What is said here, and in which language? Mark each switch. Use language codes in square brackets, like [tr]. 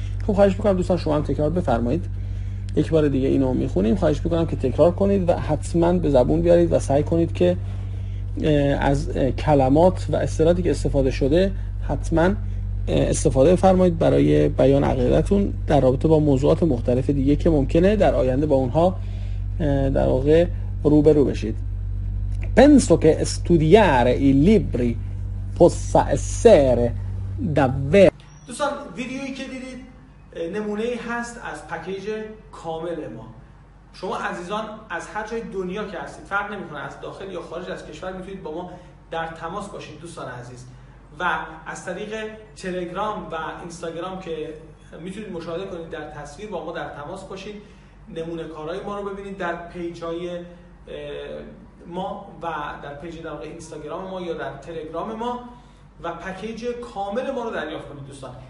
[fa] خب خواهش میکنم دوستان شما هم تکرار بفرمایید, یک بار دیگه اینو میخونیم, خواهش میکنم که تکرار کنید و حتما به زبون بیارید و سعی کنید که از کلمات و اصطلاحاتی که استفاده شده حتما استفاده فرمایید برای بیان عقیدتون در رابطه با موضوعات مختلف دیگه که ممکنه در آینده با اونها در واقع روبرو بشید. [it] Penso che studiare i libri possa essere davvero. [fa] دوستان ویدیویی که دیدید نمونه هست از پکیج کامل ما. شما عزیزان از هر جای دنیا که هستید فرق نمی‌کنه, از داخل یا خارج از کشور میتونید با ما در تماس باشید دوستان عزیز, و از طریق تلگرام و اینستاگرام که میتونید مشاهده کنید در تصویر با ما در تماس باشید, نمونه کارهای ما رو ببینید در پیج‌های ما و در پیج در واقع اینستاگرام ما یا در تلگرام ما, و پکیج کامل ما رو دریافت کنید دوستان.